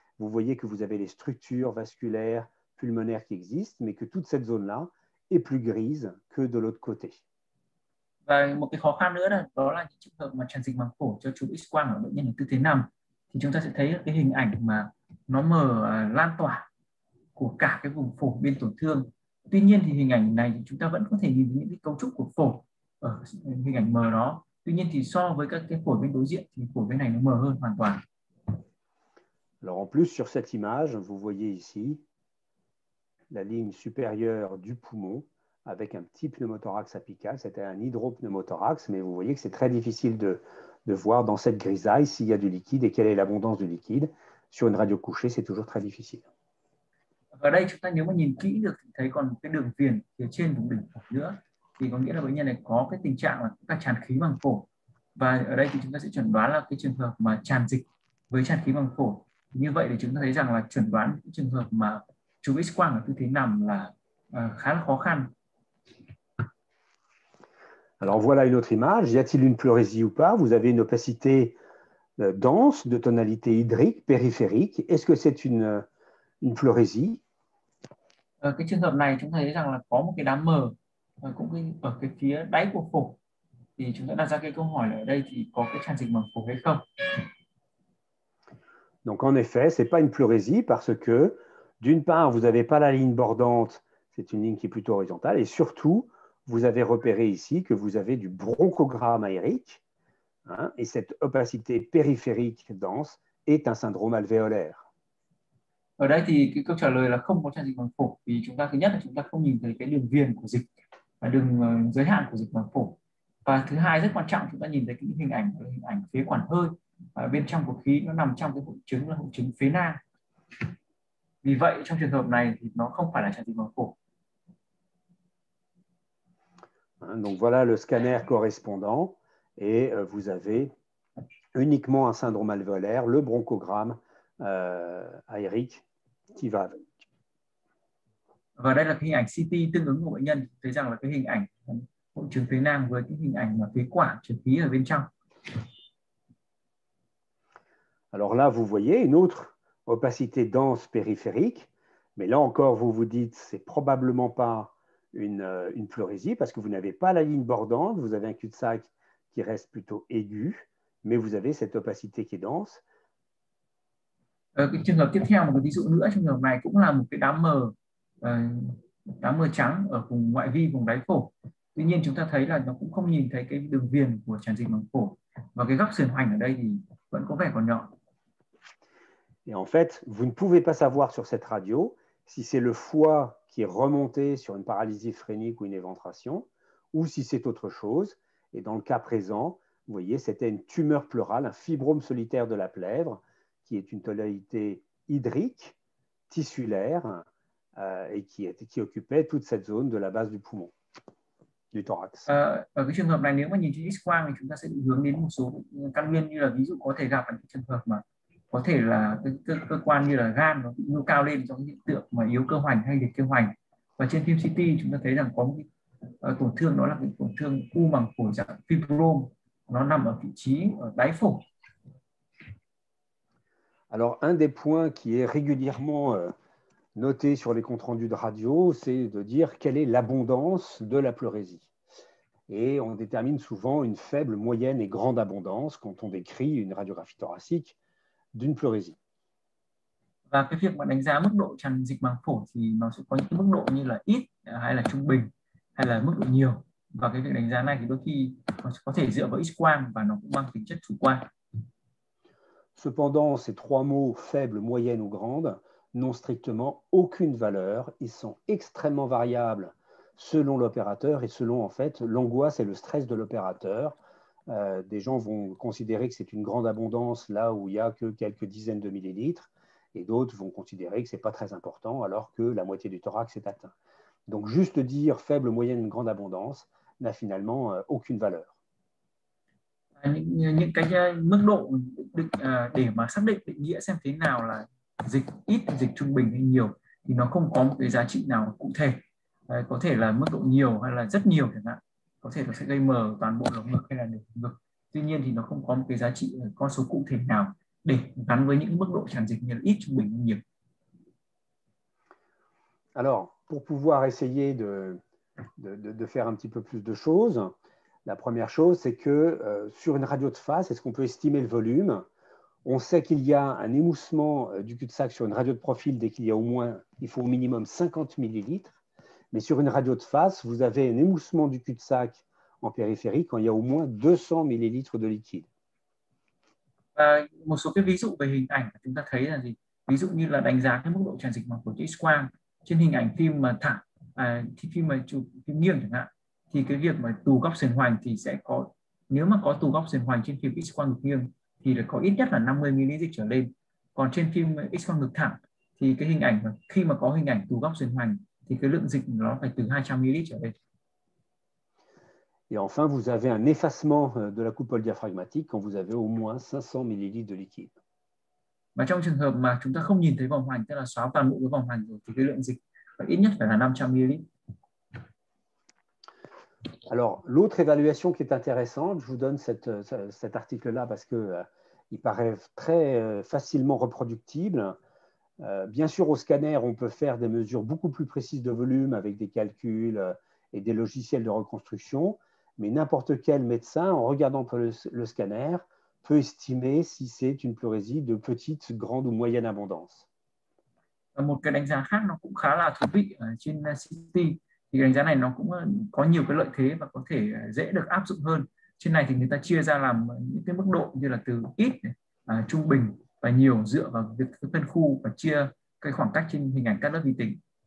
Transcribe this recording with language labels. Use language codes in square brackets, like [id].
[fr] Vous voyez que vous avez les structures vasculaires pulmonaires qui existent, mais que toute cette zone-là est plus grise que de l'autre côté. [vi] Và một cái khó khăn nữa là đó là những trường hợp mà tràn dịch màng phổi cho chụp X-quang ở bệnh nhân tư thế nằm thì chúng ta sẽ thấy cái hình ảnh mà nó mờ lan tỏa của cả cái vùng phổi bên tổn thương. Tuy nhiên thì hình ảnh này thì chúng ta vẫn có thể nhìn thấy những cái cấu trúc của phổi ở hình ảnh mờ đó. Tuy nhiên thì so với các cái phổi bên đối diện thì phổi bên này nó mờ hơn hoàn toàn. [fr] Alors en plus, sur cette image, vous voyez ici la ligne supérieure du poumon avec un petit pneumothorax apical. C'était un hydropneumothorax, mais vous voyez que c'est très difficile de voir dans cette grisaille s'il y a du liquide et quelle est l'abondance du liquide. Sur une radio couchée, c'est toujours très difficile. [vi] Ở đây chúng ta nếu mà nhìn kỹ được thì thấy còn cái đường viền phía trên vùng đỉnh phổi nữa thì có nghĩa là bệnh nhân này có cái tình trạng là các tràn khí màng phổi, và ở đây thì chúng ta sẽ chẩn đoán là cái trường hợp mà tràn dịch với tràn khí màng phổi. Như vậy thì chúng ta thấy rằng là chẩn đoán cái trường hợp mà chụp X-quang ở tư thế nằm là khá là khó khăn. [fr] Alors voilà une autre image. Y a-t-il une pleurésie ou pas? Vous avez une opacité dense de tonalité hydrique, périphérique. Est-ce que c'est une pleurésie? [vi] Cái trường hợp này chúng ta thấy rằng là có một cái đám mờ cũng ở cái phía đáy của phổi thì chúng ta đặt ra cái câu hỏi là ở đây thì có cái tràn dịch màng phổi hay không. [fr] Donc en effet, ce n'est pas une pleurésie parce que d'une part, vous n'avez pas la ligne bordante, c'est une ligne qui est plutôt horizontale, et surtout, vous avez repéré ici que vous avez du bronchogramme aérique, hein, et cette opacité périphérique dense est un syndrome alvéolaire. [vi] Ở đây thì cái câu trả lời là không có tràn dịch màng phổi vì chúng ta thứ nhất là chúng ta không nhìn thấy cái đường viền của dịch và đường giới hạn của dịch màng phổi, và thứ hai rất quan trọng chúng ta nhìn thấy cái hình ảnh phế quản hơi và bên trong của khí nó nằm trong cái hội chứng là hội chứng phế nang, vì vậy trong trường hợp này thì nó không phải là tràn dịch màng phổi. [fr] Donc voilà le scanner correspondant et vous avez uniquement un syndrome alvéolaire, le bronchogramme aérique qui va avec. [vi] Và đây là cái hình ảnh CT tương ứng của bệnh nhân, thấy rằng là cái hình ảnh hội chứng phế nang với cái hình ảnh mà phế quản chứa khí ở bên trong. [fr] Alors là, vous voyez une autre opacité dense périphérique, mais là encore, vous vous dites, c'est probablement pas une pleurésie parce que vous n'avez pas la ligne bordante, vous avez un cul-de-sac qui reste plutôt aigu, mais vous avez cette opacité qui est dense. [vi] Cái trường hợp tiếp theo, một ví dụ nữa, trường hợp này cũng là một cái đám mờ, đám mờ trắng ở vùng ngoại vi vùng đáy phổi. Tuy nhiên chúng ta thấy là nó cũng không nhìn thấy cái đường viền của tràn dịch màng phổi và cái góc sườn hoành ở đây thì vẫn có vẻ còn nhỏ. [fr] Et en fait, vous ne pouvez pas savoir sur cette radio si c'est le foie qui est remonté sur une paralysie phrénique ou une éventration, ou si c'est autre chose. Et dans le cas présent, vous voyez, c'était une tumeur pleurale, un fibrome solitaire de la plèvre, qui est une tonalité hydrique, tissulaire, et qui occupait toute cette zone de la base du poumon, du thorax. [vi] Ở cái trường hợp này nếu mà nhìn trên X-quang thì chúng ta sẽ định hướng đến một số căn nguyên, như là ví dụ có thể gặp những trường hợp mà có thể là cơ quan như là gan nó bị nhô cao lên trong hiện tượng mà yếu cơ hoành hay liệt cơ hoành, và trên phim CT chúng ta thấy rằng có một tổn thương, đó là cái tổn thương u màng phổi dạng fibrome nó nằm ở vị trí ở đáy phổi. [fr] Alors, un des points qui est régulièrement noté sur les comptes rendus de radio, c'est de dire quelle est l'abondance de la pleurésie. Et on détermine souvent une faible, moyenne et grande abondance quand on décrit une radiographie thoracique d'une pleurésie. [vi] Và cái việc mà đánh giá mức độ tràn dịch màng phổi thì nó sẽ có những mức độ như là ít hay là trung bình hay là mức độ nhiều, và cái việc đánh giá này thì đôi khi có thể dựa vào X-quang và nó cũng mang tính chất chủ quan. [fr] Cependant, ces trois mots, faible, moyenne ou grande, n'ont strictement aucune valeur. Ils sont extrêmement variables selon l'opérateur et selon, en fait, l'angoisse et le stress de l'opérateur. Des gens vont considérer que c'est une grande abondance là où il n'y a que quelques dizaines de millilitres, et d'autres vont considérer que ce n'est pas très important alors que la moitié du thorax est atteint. Donc, juste dire faible, moyenne, grande abondance n'a finalement aucune valeur. [vi] Những cái mức độ định, để mà xác định định nghĩa xem thế nào là dịch ít, dịch trung bình hay nhiều thì nó không có một cái giá trị nào cụ thể. Có thể là mức độ nhiều hay là rất nhiều chẳng hạn. Có thể nó sẽ gây mờ toàn bộ lồng ngực hay là nửa ngực. Tuy nhiên thì nó không có một cái giá trị con số cụ thể nào để gắn với những mức độ tràn dịch như là ít, trung bình hay nhiều. [fr] Alors, pour pouvoir essayer de faire un petit peu plus de choses, la première chose, c'est que sur une radio de face, est-ce qu'on peut estimer le volume? On sait qu'il y a un émoussement du cul-de-sac sur une radio de profil dès qu'il y a au moins, il faut au minimum 50 millilitres. Mais sur une radio de face, vous avez un émoussement du cul-de-sac en périphérie quand il y a au moins 200 millilitres de liquide. [vi] Một số cái ví dụ về hình ảnh chúng ta thấy là gì, ví dụ như là đánh giá cái mức độ tràn dịch màng phổi X quang trên hình ảnh phim mà thả thì phim mà chụp phim nghiêng chẳng hạn, thì cái việc mà tù góc sườn hoành thì sẽ có, nếu mà có tù góc sườn hoành trên phim X quang ngực nghiêng thì là có ít nhất là 50 ml dịch trở lên. Còn trên phim X quang ngực thẳng thì cái hình ảnh mà khi mà có hình ảnh tù góc sườn hoành thì cái lượng dịch nó phải từ 200 ml trở lên. [fr] Et enfin, vous avez un effacement de la coupole diaphragmatique quand vous avez au moins 500 millilitres de liquide. [vi] Mà trong trường hợp mà chúng ta không nhìn thấy vòng hoành, tức là xóa toàn bộ cái vòng hoành rồi, thì cái lượng dịch phải ít nhất phải là 500 ml. [fr] Alors, l'autre évaluation qui est intéressante, je vous donne cet article-là parce qu'il paraît très facilement reproductible. Bien sûr, au scanner, on peut faire des mesures beaucoup plus précises de volume avec des calculs. Et des logiciels de reconstruction, mais n'importe quel médecin, en regardant le scanner, peut estimer si c'est une pleurésie de petite, grande ou moyenne abondance. [vi] Một cái đánh giá khác nó cũng khá là thú vị ở trên CT, thì cái đánh giá này nó cũng có nhiều cái lợi thế và có thể dễ được áp dụng hơn. Trên này thì người ta chia ra làm những cái mức độ như là từ ít, trung bình và nhiều dựa vào việc phân khu và chia cái khoảng cách trên hình ảnh các lớp vi tính.